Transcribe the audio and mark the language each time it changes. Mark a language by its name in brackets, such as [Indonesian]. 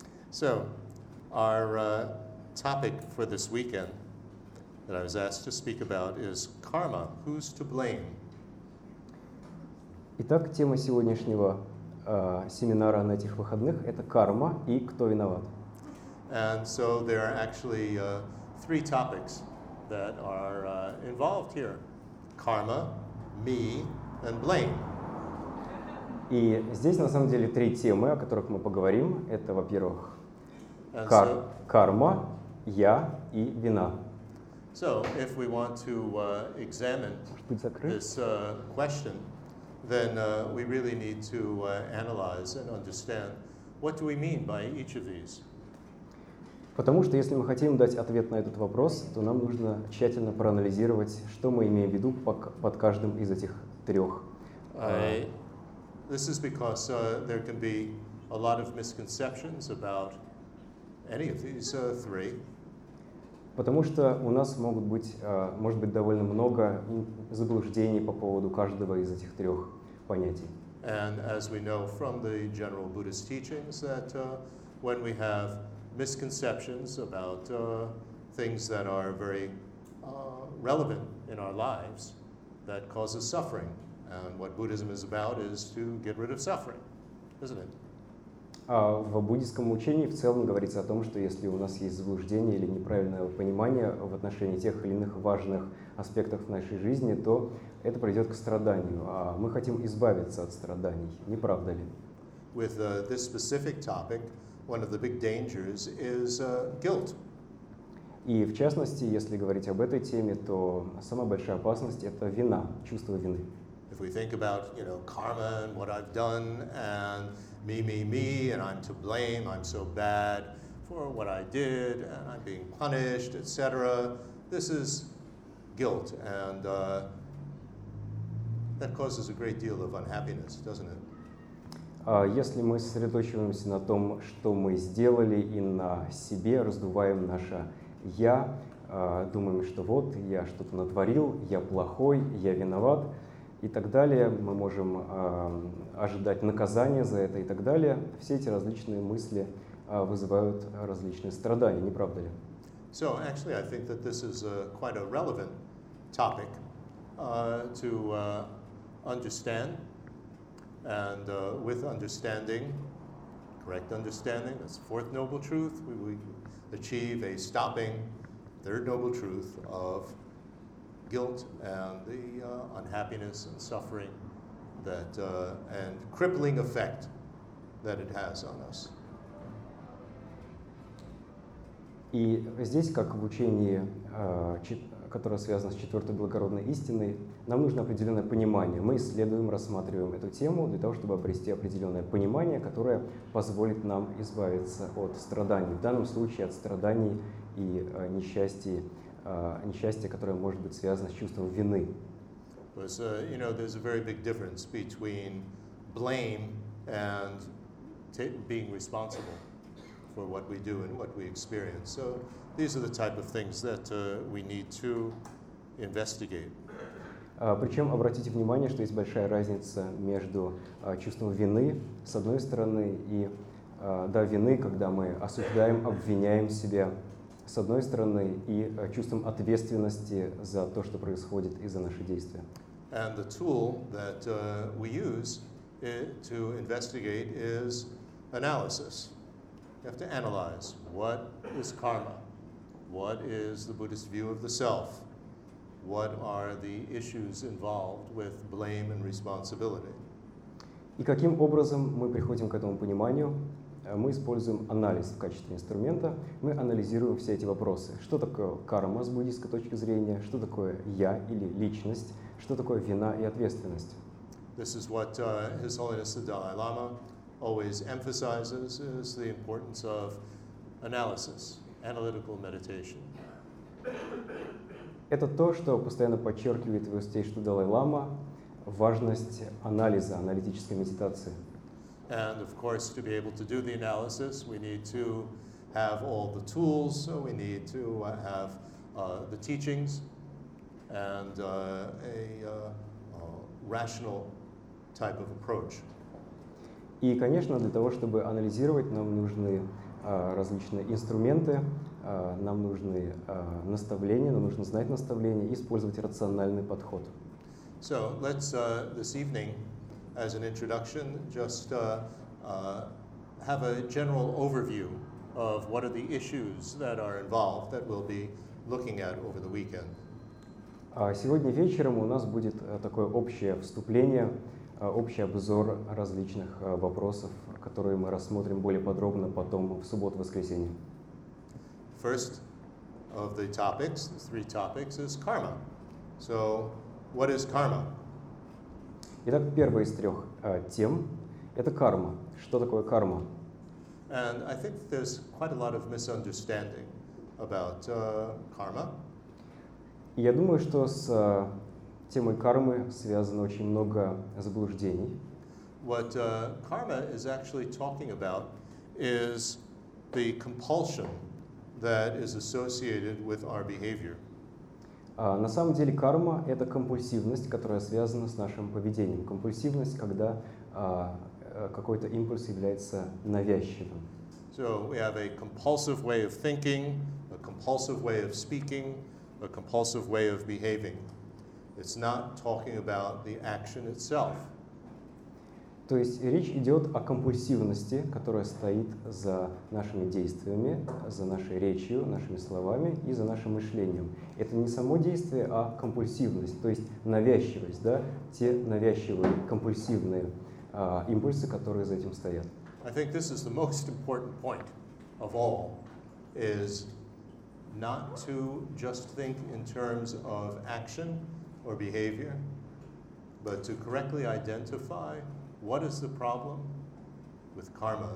[English] So, our topic for this weekend that I was asked to speak about is karma. Who's to blame? [Russian] Итак, тема сегодняшнего семинара на этих выходных – это карма и кто виноват. [English] And so there are actually three topics that are involved here. Karma, me, and blame. [Russian] И здесь, на самом деле, три темы, о которых мы поговорим. Это, во-первых, карма, я и вина. [English] So, if we want to examine this question, then we really need to analyze and understand what do we mean by each of these. [Russian] Потому что, если мы хотим дать ответ на этот вопрос, то нам нужно тщательно проанализировать, что мы имеем в виду под каждым из этих трех. [English] This is because there can be a lot of misconceptions about any of these three. [Russian] Потому что у нас могут быть, может быть, довольно много заблуждений по поводу каждого из этих трех понятий. [English] And as we know from the general Buddhist teachings, that when we have misconceptions about things that are very relevant in our lives, that causes suffering. And what Buddhism is about is to get rid of suffering, isn't it? [Russian] В буддийском учении в целом говорится о том, что если у нас есть заблуждение или неправильное понимание в отношении тех или иных важных аспектов нашей жизни, то это приведет к страданию. А мы хотим избавиться от страданий, не правда ли? [English] With this specific topic, one of the big dangers is guilt. [Russian] И в частности, если говорить об этой теме, то самая большая опасность – это вина, чувство вины. [English] If we think about, you know, karma and what I've done and me, and I'm to blame, I'm so bad for what I did and I'm being punished, etc. This is guilt and that causes a great deal of unhappiness, doesn't it? [Russian] Если мы сосредоточиваемся на том, что мы сделали и на себе, раздуваем наше «я», думаем, что вот, я что-то натворил, я плохой, я виноват, и так далее, мы можем ожидать наказания за это и так далее. Все эти различные мысли вызывают различные страдания, не правда ли? [English] So, actually, I think that this is quite a relevant topic to understand. And with understanding, correct understanding, that's the fourth noble truth, we achieve a stopping third noble truth of guilt and the unhappiness and suffering that and crippling effect that it has on us. [Russian] И здесь, как в учении, которое связано с четвертой благородной истиной, нам нужно определенное понимание. Мы исследуем, рассматриваем эту тему для того, чтобы обрести определенное понимание, которое позволит нам избавиться от страданий. В данном случае от страданий и несчастий. Несчастье, которое может быть связано с чувством вины. [English] Because, you know, there's a very big difference between blame and being responsible for what we do and what we experience. So these are the type of things that we need to investigate. [Russian] Причем обратите внимание, что есть большая разница между чувством вины с одной стороны и да, вины, когда мы осуждаем, обвиняем себя с одной стороны и чувством ответственности за то, что происходит и за наши действия. [English] And the tool that we use to investigate is analysis. You have to analyze what is karma, what is the Buddhist view of the self, what are the issues involved with blame and responsibility. [Russian] И каким образом мы приходим к этому пониманию? Мы используем анализ в качестве инструмента. Мы анализируем все эти вопросы. Что такое карма с буддийской точки зрения? Что такое я или личность? Что такое вина и ответственность? [English] This is what His Holiness the Dalai Lama always emphasizes, is the importance of analysis, analytical meditation. [Russian] Это то, что постоянно подчеркивает Высочайший Далай Лама, важность анализа, аналитической медитации. [English] And of course, to be able to do the analysis, we need to have all the tools, so we need to have the teachings and a rational type of approach. [Russian] И, конечно, для того, чтобы анализировать, нам нужны различные инструменты, нам нужны наставления, нам нужно знать наставления и использовать рациональный подход. [English] So let's this evening, as an introduction, just have a general overview of what are the issues that are involved that we'll be looking at over the weekend. [Russian] Сегодня вечером у нас будет такое общее вступление, общий обзор различных вопросов, которые мы рассмотрим более подробно потом в субботу-воскресенье. [English] First of the topics, the three topics, is karma. So, what is karma? [Russian] Итак, первая из трех тем — это карма. Что такое карма? [English] And I think there's quite a lot of misunderstanding about karma. [Russian] И я думаю, что с темой кармы связано очень много заблуждений. [English] What karma is actually talking about is the compulsion that is associated with our behavior. [Russian] На самом деле карма — это компульсивность, которая связана с нашим поведением. Компульсивность, когда какой-то импульс является навязчивым. [English] So we have a compulsive way of thinking, a compulsive way of speaking, a compulsive way of behaving. It's not talking about the action itself. [Russian] То есть речь идет о компульсивности, которая стоит за нашими действиями, за нашей речью, нашими словами и за нашим мышлением. Это не само действие, а компульсивность, то есть навязчивость, да, те навязчивые, компульсивные импульсы, которые за этим стоят. [English] I think this is the most important point of all, is not to just think in terms of action or behavior, but to correctly identify what is the problem with karma.